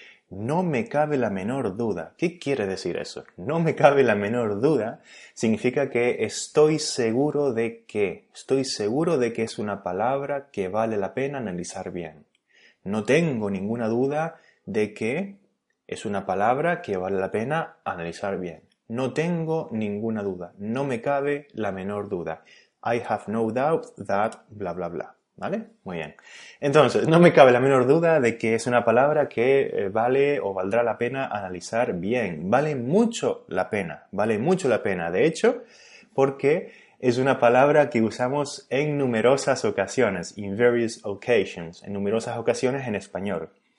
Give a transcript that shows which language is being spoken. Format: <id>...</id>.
<es>No me cabe la menor duda. ¿Qué quiere decir eso? No me cabe la menor duda significa que estoy seguro de que. Estoy seguro de que es una palabra que vale la pena analizar bien. No tengo ninguna duda de que es una palabra que vale la pena analizar bien. No tengo ninguna duda. No me cabe la menor duda.</es> <en>I have no doubt that bla bla bla.</en> <es>¿Vale? Muy bien. Entonces, no me cabe la menor duda de que es una palabra que vale o valdrá la pena analizar bien. Vale mucho la pena. Vale mucho la pena, de hecho, porque es una palabra que usamos en numerosas ocasiones,</es> <en>in various occasions,</en> <es>en numerosas ocasiones en español.</es>